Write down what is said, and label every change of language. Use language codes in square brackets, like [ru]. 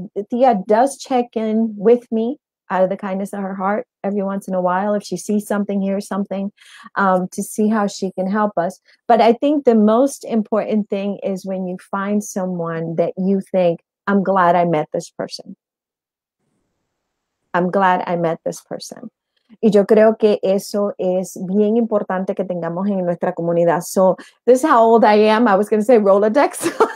[en] Thea does check in with me out of the kindness of her heart every once in a while, if she sees something, hears something, to see how she can help us. But I think the most important thing is when you find someone that you think, I'm glad I met this person. I'm glad I met this person. [es] Y yo creo que eso es bien importante que tengamos en nuestra comunidad. [en] So this is how old I am. I was going to say Rolodex.